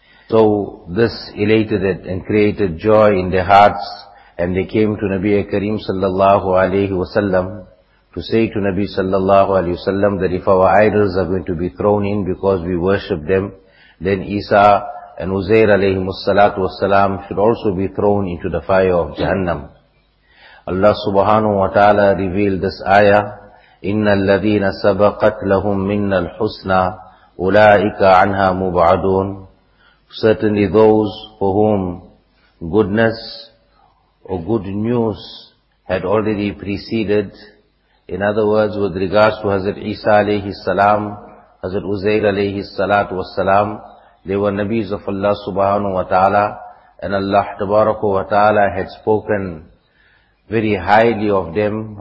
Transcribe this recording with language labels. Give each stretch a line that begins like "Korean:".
English: So this elated it and created joy in their hearts, and they came to Nabi Kareem sallallahu alayhi wasallam to say to Nabi sallallahu alayhi wasallam that if our idols are going to be thrown in because we worship them, then Isa and Uzair alayhi salatu wassalam should also be thrown into the fire of Jahannam. Allah subhanahu wa ta'ala revealed this ayah,
Arabic: إِنَّ الَّذِينَ سَبَقَتْ لَهُمْ مِنَّ الْحُسْنَى أُولَٰئِكَ عَنْهَا مُبْعَدُونَ.
English: Certainly those for whom goodness or good news had already preceded, in other words, with regards to Hazrat Isa alayhi salam, Hazrat Uzair alayhi salatu wassalam, they were Nabis of Allah subhanahu wa ta'ala, and Allah tabaraka wa ta'ala had spoken very highly of them.